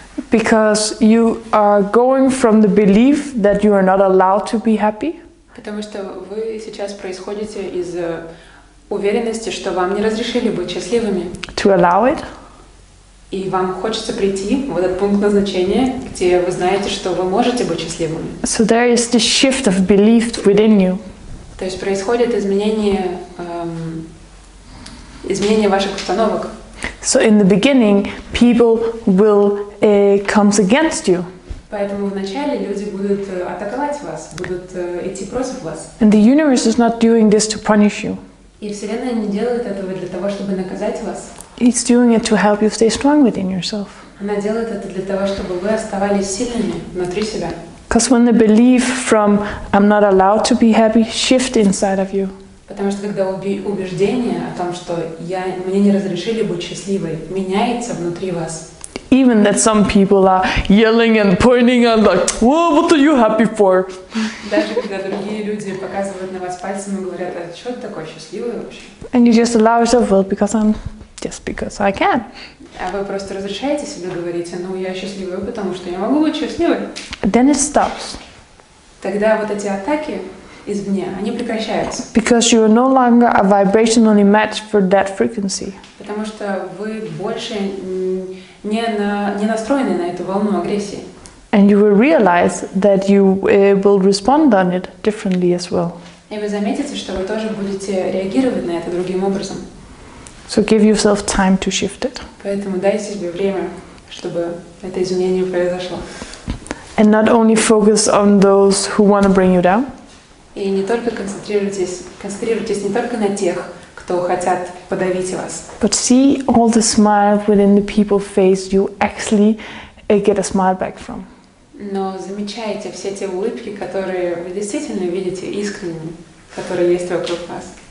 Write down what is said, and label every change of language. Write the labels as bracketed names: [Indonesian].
[English] Because you are going from the belief that you are not allowed to be happy. [Russian] Потому что вы сейчас происходите из уверенности, что вам не разрешили быть счастливыми. [English] To allow it. [Russian] И вам хочется прийти в этот пункт назначения, где вы знаете, что вы можете быть счастливыми. [English] So there is the shift of belief within you. [Russian] То есть происходит изменение ваших установок. [English] So in the beginning, people will come against you. [Russian] Поэтому вначале люди будут атаковать вас, будут идти против вас. [English] And the universe is not doing this to punish you. [Russian] И Вселенная не делает этого для того, чтобы наказать вас. [English] It's doing it to help you stay strong within yourself. [Russian] Она делает это для того, чтобы вы оставались сильными внутри себя. [English] Because when the belief from I'm not allowed to be happy shift inside of you. [Russian] Потому что когда убеждение о том, что мне не разрешили быть счастливой, меняется внутри вас. [English] Even that some people are yelling and pointing and like, whoa, what are you happy for? [Russian] Даже когда другие люди показывают на вас пальцем и говорят, а что ты такой счастливый вообще? [English] And you just allow yourself, well, because I can. [Russian] А вы просто разрешаете себе говорить, я счастливая, потому что я могу быть счастливой. [English] Then it stops. [Russian] Тогда вот эти атаки извне, они прекращаются. [English] Because you are no longer a vibrationally match for that frequency. [Russian] Потому что вы больше не настроены на эту волну агрессии. [English] And you will realize that you will respond on it differently as well. [Russian] И вы заметите, что вы тоже будете реагировать на это другим образом. [English] So give yourself time to shift it. [Russian] Поэтому дайте себе время, чтобы это изменение произошло. [English] And not only focus on those who want to bring you down. [Russian] И не только концентрируйтесь не только на тех, кто хотят подавить вас. [English] But see all the smile within the people face you actually get a smile back from. [Russian] Но замечаете все те улыбки, которые вы действительно видите искренними, которые есть вокруг вас.